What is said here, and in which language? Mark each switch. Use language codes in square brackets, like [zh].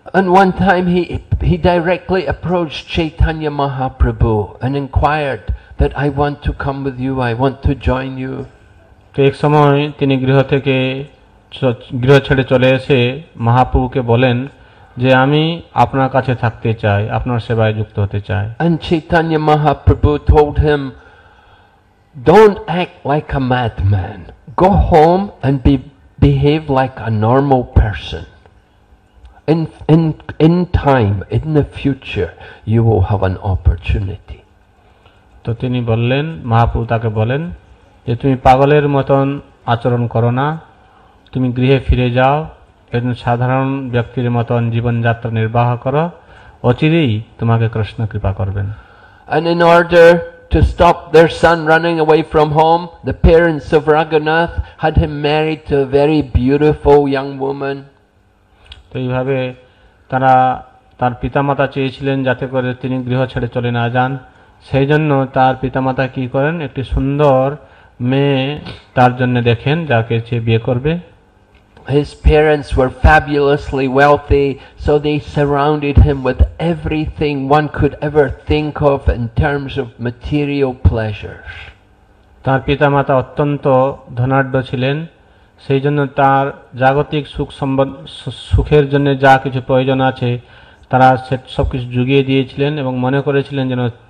[en] And one time he directly approached Chaitanya Mahaprabhu and inquired that I want to come with you, I want to join you. [bn] এক সময় তিনি গৃহ থেকে গৃহ ছেড়ে চলে এসে মহাপ্রভুকে বলেন যে আমি আপনার কাছে থাকতে চাই, আপনার সেবায় যুক্ত হতে চাই। [en] And Chaitanya Mahaprabhu told him, don't act like a madman, go home and behave like a normal person. In time, in the future, you will have an opportunity. [bn] তো তিনি বললেন, মহাপ্রভু তাকে বলেন যে তুমি পাগলের মতন আচরণ করো না, তুমি গৃহে ফিরে যাও এবং সাধারণ ব্যক্তির মতন জীবনযাত্রা নির্বাহ করো, অচিরেই তোমাকে কৃষ্ণ কৃপা করবেন। [en] And in order to stop their son running away from home, the parents of Raghunath had him married to a very beautiful young woman. [bn] তো এইভাবে তারা তার পিতামাতা চেয়েছিলেন যাতে করে তিনি গৃহ ছেড়ে চলে না যান, সেই জন্য তার পিতামাতা কি করেন, একটি সুন্দর মেয়ে তার জন্য দেখেন যাকে সে বিয়ে করবে। [en] His parents were fabulously wealthy, so they surrounded him with everything one could ever think of in terms of material pleasures. [bn] তার পিতামাতা অত্যন্ত ধনাঢ্য ছিলেন, সেই জন্য তার জাগতিক সুখ সম্বন্ধ সুখের জন্য যা কিছু প্রয়োজন আছে তারা সব কিছু যুগিয়ে দিয়েছিলেন এবং মনে করেছিলেন যেন